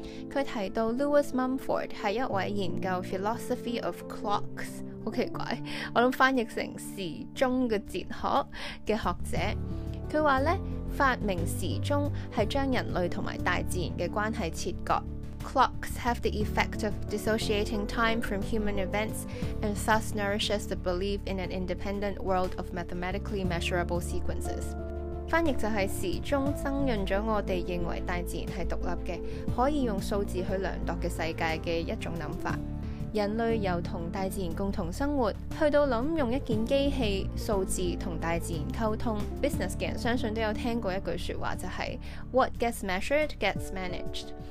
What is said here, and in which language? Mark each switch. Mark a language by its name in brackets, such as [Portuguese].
[Chinese] 他提到 Lewis Mumford 是一位研究 Philosophy of Clocks， 好奇怪，我想翻译成时钟的哲学的学者。他说呢，发明时钟是将人类和大自然的关系切割。 [English] Clocks have the effect of dissociating time from human events and thus nourishes the belief in an independent world of mathematically measurable sequences。 [Chinese] 翻译就是时钟增润了我们认为大自然是独立的，可以用数字去量度的世界的一种想法。人类由和大自然共同生活，去到想用一件机器数字和大自然沟通。 Business 的人相信都有听过一句说话，就是 [English] What gets measured gets managed。